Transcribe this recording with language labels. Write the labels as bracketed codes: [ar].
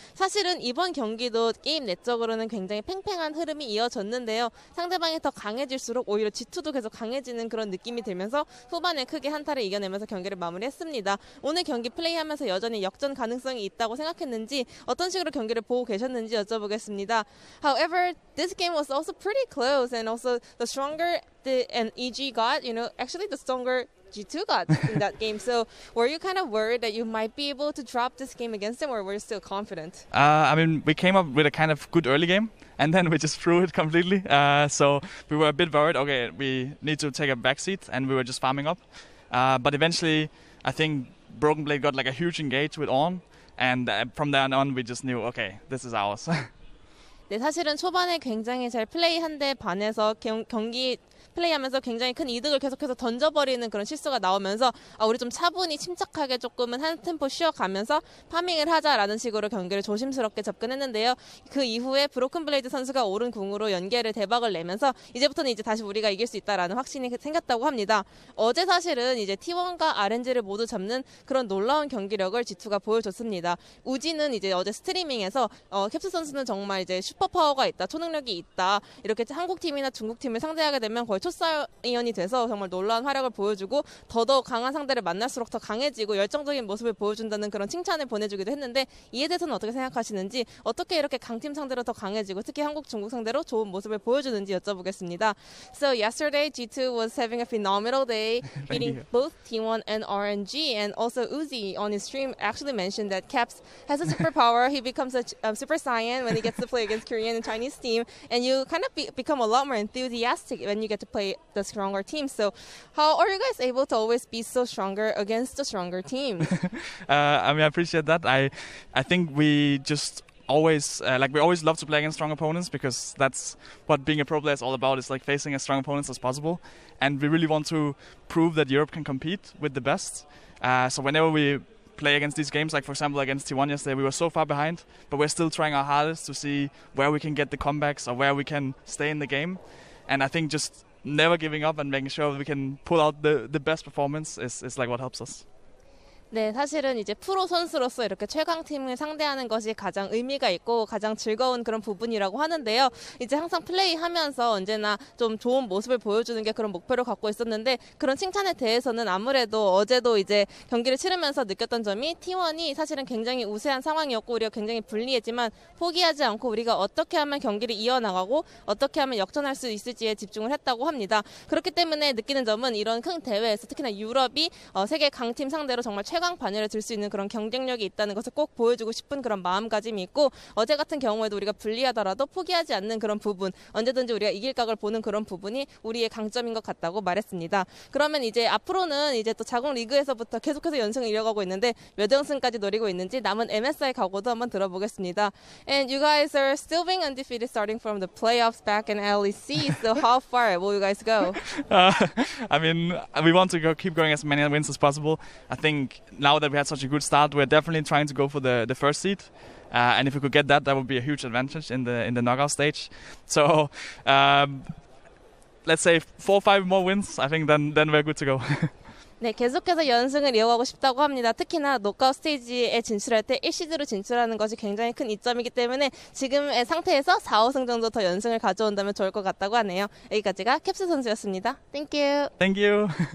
[ko] 사실은 이번 경기도 게임 내적으로는 굉장히 팽팽한 흐름이 이어졌는데요. 상대방이 더 강해질수록 오히려 G2도 계속 강해지는 그런 느낌이 들면서 후반에 크게 한타를 이겨내면서 경기를 마무리했습니다. 오늘 경기 플레이하면서 여전히 역전 가능성이 있다고 생각했는지 어떤 식으로 경기를 보고 계셨는지 여쭤보겠습니다. [en] However, this game was also pretty close and also the stronger and EG got, you know, actually the stronger G2 got in that game. So were you kind of worried that you might be able to drop this game against them or were you still confident? I mean, we came up with a kind of good early game and then we just threw it completely. So we were a bit worried, okay, we need to take a backseat and we were just farming up. But eventually, I think Broken Blade got like a huge engage with Ornn and from then on, we just knew, okay, this is ours. [ko] 네, 사실은 초반에 굉장히 잘 플레이한 데 반해서 경기 플레이하면서 굉장히 큰 이득을 계속해서 던져버리는 그런 실수가 나오면서 우리 좀 차분히 침착하게 조금은 한 템포 쉬어가면서 파밍을 하자라는 식으로 경기를 조심스럽게 접근했는데요. 그 이후에 브로큰 블레이드 선수가 오른 궁으로 연계를 대박을 내면서 이제부터는 이제 다시 우리가 이길 수 있다라는 확신이 생겼다고 합니다. 어제 사실은 이제 T1과 RNG를 모두 잡는 그런 놀라운 경기력을 G2가 보여줬습니다. 우지는 이제 어제 스트리밍에서 캡스 선수는 정말 이제 슈퍼파워가 있다, 초능력이 있다 이렇게 한국팀이나 중국팀을 상대하게 되면 거의 초사위원이 돼서 정말 놀라운 활약을 보여주고 더더욱 강한 상대를 만날수록 더 강해지고 열정적인 모습을 보여준다는 그런 칭찬을 보내주기도 했는데 이에 대해서는 어떻게 생각하시는지 어떻게 이렇게 강팀 상대로 더 강해지고 특히 한국, 중국 상대로 좋은 모습을 보여주는지 여쭤보겠습니다. [en] So yesterday G2 was having a phenomenal day beating both T1 and RNG and also Uzi on his stream actually mentioned that Caps has a superpower. He becomes a super saiyan when he gets to play against Korean and Chinese team and you kind of become a lot more enthusiastic when you get to play the stronger team. So how are you guys able to always be so stronger against the stronger team? I appreciate that. I think we just always, like we always love to play against strong opponents because that's what being a pro player is all about. It's like facing as strong opponents as possible. And we really want to prove that Europe can compete with the best. So whenever we play against these games, like for example against T1 yesterday, we were so far behind, but we're still trying our hardest to see where we can get the comebacks or where we can stay in the game. And I think just never giving up and making sure we can pull out the best performance is like what helps us. [ko] 네, 사실은 이제 프로 선수로서 이렇게 최강 팀을 상대하는 것이 가장 의미가 있고 가장 즐거운 그런 부분이라고 하는데요. 이제 항상 플레이하면서 언제나 좀 좋은 모습을 보여주는 게 그런 목표를 갖고 있었는데 그런 칭찬에 대해서는 아무래도 어제도 이제 경기를 치르면서 느꼈던 점이 T1이 사실은 굉장히 우세한 상황이었고 우리가 굉장히 불리했지만 포기하지 않고 우리가 어떻게 하면 경기를 이어나가고 어떻게 하면 역전할 수 있을지에 집중을 했다고 합니다. 그렇기 때문에 느끼는 점은 이런 큰 대회에서 특히나 유럽이 세계 강팀 상대로 정말 최강 반열에 들 수 있는 그런 경쟁력이 있다는 것을 꼭 보여주고 싶은 그런 마음가짐이 있고 어제 같은 경우에도 우리가 불리하더라도 포기하지 않는 그런 부분 언제든지 우리가 이길 각을 보는 그런 부분이 우리의 강점인 것 같다고 말했습니다. 그러면 이제 앞으로는 이제 또 자국 리그에서부터 계속해서 연승을 이어가고 있는데 몇 연승까지 노리고 있는지 남은 MSI 각오도 한번 들어보겠습니다. [en] And you guys are still being undefeated starting from the playoffs back in LEC. So how far will you guys go? We want to go, keep going as many wins as possible. I think now that we had such a good start, we're definitely trying to go for the first seed. And if we could get that, that would be a huge advantage in the knockout stage. So let's say 4 or 5 more wins, I think then we're good to go. [ko] 네, 계속해서 연승을 이어가고 싶다고 합니다. 특히나 노크아웃 스테이지에 진출할 때 1시드로 진출하는 것이 굉장히 큰 이점이기 때문에 지금의 상태에서 4, 5승 정도 더 연승을 가져온다면 좋을 것 같다고 하네요. 여기까지가 캡스 선수였습니다. [en] Thank you. Thank you.